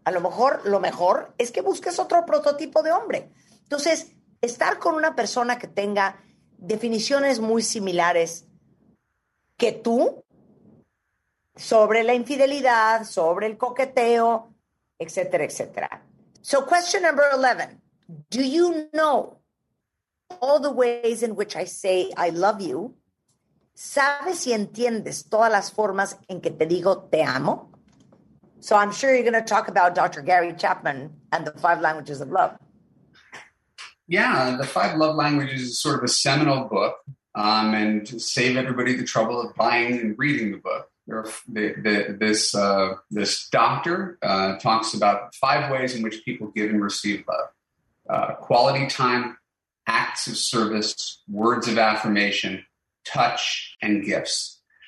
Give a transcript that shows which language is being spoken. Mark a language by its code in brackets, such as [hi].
[es] A lo mejor es que busques otro prototipo de hombre. Entonces, estar con una persona que tenga definiciones muy similares que tú sobre la infidelidad, sobre el coqueteo, etcétera, etcétera. [en] So, question number 11. Do you know all the ways in which I say I love you? [es] ¿Sabes y entiendes todas las formas en que te digo te amo? [en] So I'm sure you're going to talk about Dr. Gary Chapman and the 5 languages of love. Yeah, the 5 love languages is sort of a seminal book. And save everybody the trouble of buying and reading the book. There, this doctor talks about five ways in which people give and receive love: quality time, acts of service, words of affirmation, touch, and gifts.